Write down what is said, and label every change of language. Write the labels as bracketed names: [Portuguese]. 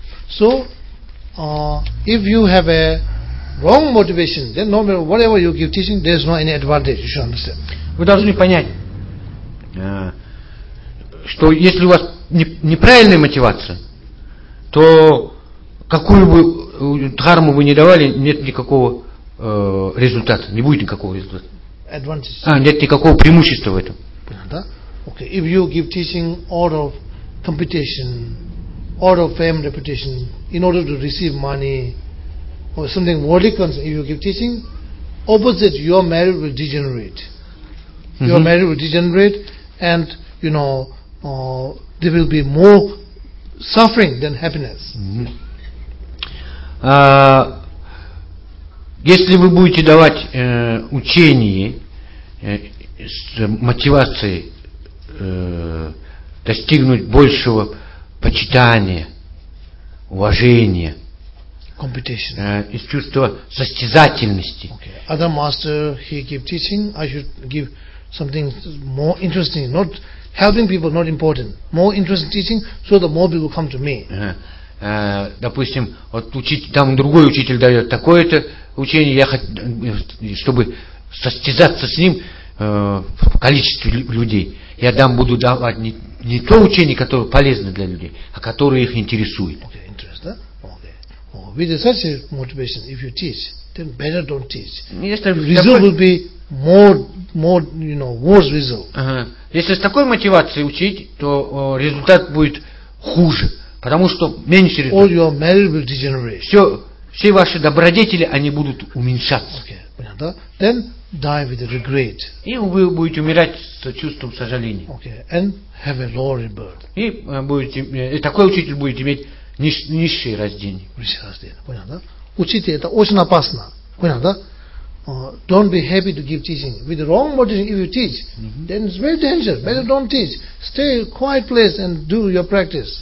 [English] So, if you have a wrong motivation, then no matter whatever you give teaching, there is not any advantage. You should understand. [Russian] Вы должны понять, что если у вас неправильная мотивация, то какую бы дхарму вы ни давали, нет никакого результата, не будет никакого результата. [English] Advantage. [Russian] Нет никакого преимущества в этом. Да? Okay. [English] If you give teaching out of competition, out of fame, reputation, in order to receive money or something worldly concern, if you give teaching, opposite, your marriage will degenerate. Mm-hmm. Your marriage will degenerate and, you know, there will be more suffering than happiness. Mm-hmm. [Russian] Если вы будете давать учение с мотивацией достигнуть большего почитания, уважения, из чувства состязательности. [English] Okay. Other master, he give teaching, I should give something more interesting, not helping people, not important. More interesting teaching, so the more people come to me. [Russian] Допустим, вот учитель, там другой учитель дает такое-то учение, я хочу, чтобы состязаться с ним в количестве людей. Я дам, буду давать не то учение, которое полезно для людей, а которое их интересует. [English] Okay, interest, да? Okay. Oh, with such a motivation, if you teach, then better don't teach. Result will be more, you know, worse result. [Russian] Если с такой мотивацией учить, то результат будет хуже, потому что меньше результат. [English] All your merit will degenerate. [Russian] Все ваши добродетели, они будут уменьшаться. [English] Okay, [Russian] понятно, да? [English] Then die with regret. [Russian] И вы будете умирать с чувством сожаления. [English] Okay. And have a lower rebirth. [Russian] И будете, и такой учитель будет иметь низшие рождения. Низшие рождения. Понятно, да? Учитель, это очень опасно. Понятно, да? [English] Don't be happy to give teaching. With the wrong motivation, if you teach, mm-hmm. then it's very dangerous. Mm-hmm. Better don't teach. Stay in a quiet place and do your practice.